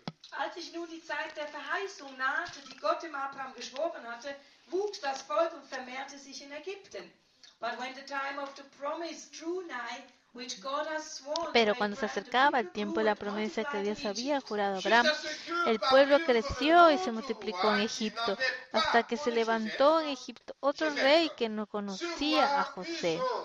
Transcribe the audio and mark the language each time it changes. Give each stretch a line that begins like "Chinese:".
German: Als sich nun die Zeit der Verheißung nahte, die Gott dem Abraham geschworen hatte, wuchs das Volk und vermehrte sich in Ägypten.
English: But when the time of the promise drew nigh, which God has sworn,
Spanish: pero cuando se acercaba el tiempo de la promesa que Dios había jurado a Abraham, el pueblo creció y se multiplicó en Egipto, hasta que se levantó en Egipto otro rey que no conocía, a José.